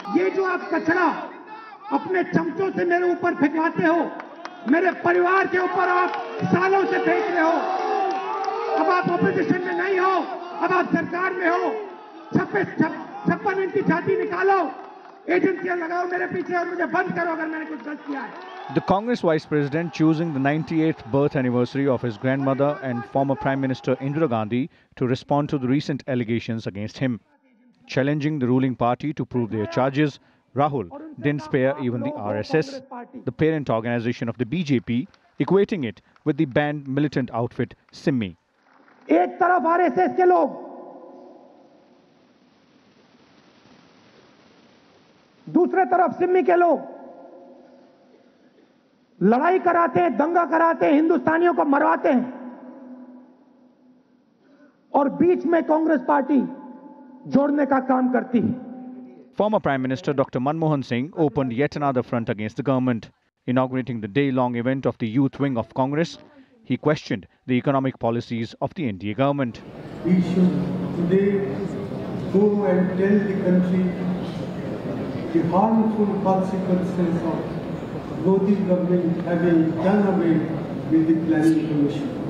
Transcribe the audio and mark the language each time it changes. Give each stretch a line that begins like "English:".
Hindi: Ye jo aap kachra अपने चमचों से मेरे ऊपर फेंकवाते हो, मेरे परिवार के ऊपर आप सालों से फेंक रहे हो, अब आप ऑपोजिशन में नहीं हो, अब आप सरकार में हो, 56 इंच की छाती निकालो, एजेंसियां लगाओ मेरे पीछे और मुझे बंद करो अगर मैंने कुछ गलत किया है.
English: The Congress Vice President choosing the 98th birth anniversary of his grandmother and former Prime Minister Indira Gandhi to respond to the recent allegations against him, challenging the ruling party to prove their charges Rahul didn't spare even the RSS, the parent organization of the BJP, equating it with the banned militant outfit Simmi.
Hindi: एक तरफ RSS के लोग, दूसरे तरफ सिम्मी के लोग, लड़ाई कराते हैं, दंगा कराते हैं, हिंदुस्तानियों को मरवाते हैं, और बीच में कांग्रेस पार्टी जोड़ने का काम करती है.
English: Former Prime Minister Dr. Manmohan Singh opened yet another front against the government. Inaugurating the day-long event of the youth wing of Congress, he questioned the economic policies of the NDA government. We should today go and tell the country the harmful consequences of Modi government having done away with the planning commission.